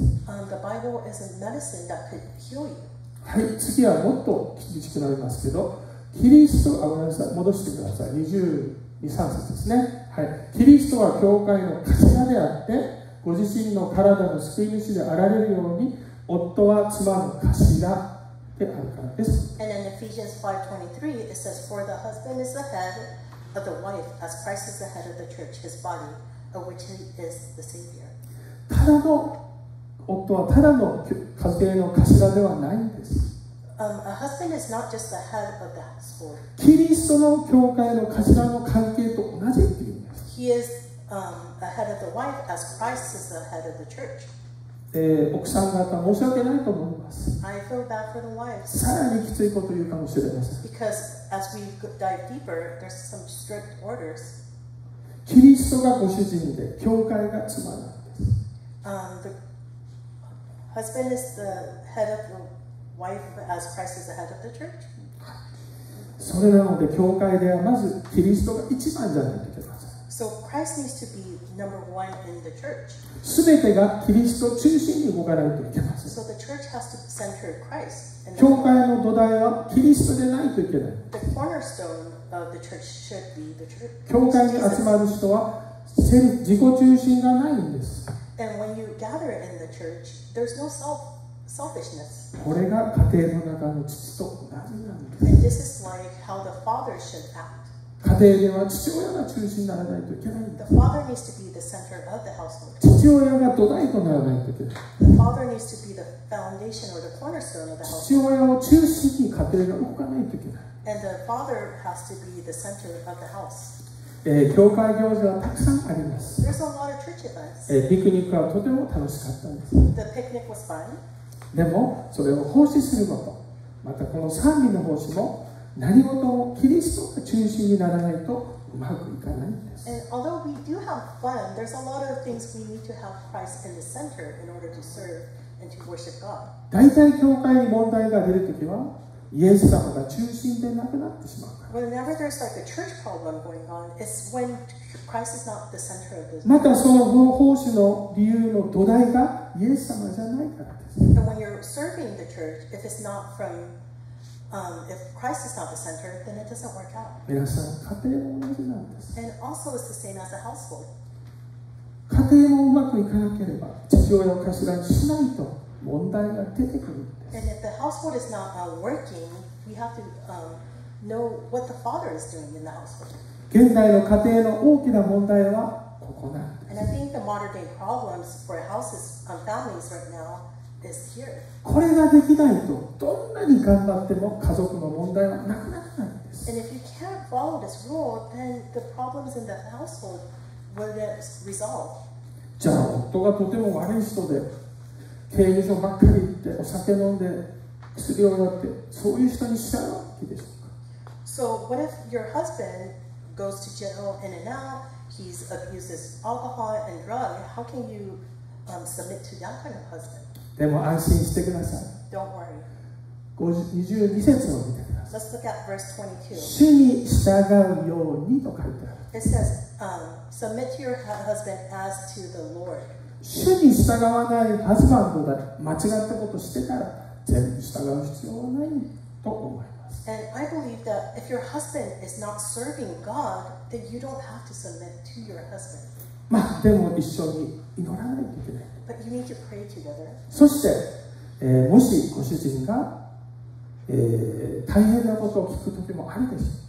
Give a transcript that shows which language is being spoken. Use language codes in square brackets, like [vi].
[en] The Bible is a medicine that could heal you. [ja] はい、次はもっと厳しくなりますけど、キリスト、あ、ごめんなさい、戻してください。 23節ですね、はい、キリストは教会の頭であってご自身の体の救い主であられるように夫は妻の頭であるからです。 [en] And in Ephesians 5:23 it says for the husband is the head of the wife as Christ is the head of the church his body of which he is the savior. [ja] ただの夫はただの家庭の頭ではないんです。 [en] A husband is not just the head of the household. [ja] キリストの教会の頭の関係と同じっていうんです。 [en] He is the head of the wife as Christ is the head of the church. [ja] 奥さん方申し訳ないと思います。 [en] I feel bad for the wives. [ja] さらにきついこと言うかもしれません。 [en] Because as we dive deeper, there's some strict orders. [ja] キリストがご主人で教会が妻なんです。 [en] The husband is the head of the wife as Christ is the head of the church. [ja] それなので教会ではまずキリストが一番じゃないといけません。 [en] So Christ needs to be number one in the church. [ja] 全てがキリスト中心に動かないといけません。 [en] So the church has to center Christ. [ja] 教会の土台はキリストでないといけない。 [en] The cornerstone of the church should be the church. [ja] 教会に集まる人は自己中心がないんです。 [en] And when you gather in the church, there's no self. Selfishness. [ja] これが家庭の中の父と同じなんです。 [en] And this is like how the father should act. [ja] 家庭では父親が中心にならないといけないんです。 [en] The father needs to be the center of the household. [ja] 父親が土台とならないといけない。 [en] The father needs to be the foundation or the cornerstone of the household. [ja] 父親を中心に家庭が動かないといけない。 [en] And the father has to be the center of the house. [ja] 教会行事はたくさんあります。 [en] There's a lot of church events. [ja] ピクニックはとても楽しかったんです。 [en] The picnic was fun. [ja] でもそれを奉仕すること、またこの賛美の奉仕も何事もキリストが中心にならないとうまくいかないんです。 [en] And although we do have fun, there's a lot of things we need to have Christ in the center in order to serve and to worship God. [ja] 大体教会に問題が出るときはイエス様が中心でなくなってしまう。 [en] Whenever there's like a church problem going on, it's when Christ is not the center of the. [ja] またその奉仕の理由の土台がイエス様じゃないから。 [en] And when you're serving the church, if it's not from, if Christ is not the center, then it doesn't work out. [ja] 皆さん、家庭も同じなんです。 [en] And also it's the same as a household. [ja] 家庭もうまくいかなければ、父親を頭にしないと問題が出てくるんです。 [en] And if the household is not working, we have to know what the father is doing in the household. [ja] 現代の家庭の大きな問題はここなんです。 [en] And I think the modern day problems for houses and families right now is here. [ja] これができないとどんなに頑張っても家族の問題はなくなるんです。 [en] And if you can't follow this rule, then the problems in the household will get resolved. [ja] じゃあ夫がとても悪い人で刑務所ばっかり行ってお酒飲んで薬をやってそういう人にしちゃうわけでしょうか。 [en] So what if your husband goes to jail in and out, he abuses alcohol and drug, how can you submit to that kind of husband? [ja] でも安心してください。 [en] Don't worry. [ja] 22節を見てください。 [en] Let's look at verse 22. [ja] 主に従うようにと書いてある。 [en] It says,Submit to your husband as to the Lord. [ja] 主に従わないハズバンドだ。間違ったことしてたら全部従う必要はないと思います。 [en] And I believe that if your husband is not serving God, then you don't have to submit to your husband. [ja] まあでも一緒に祈らないといけない。 [en] But you need to pray together. [ja] そして、もしご主人が、大変なことを聞くときもあるでしょう。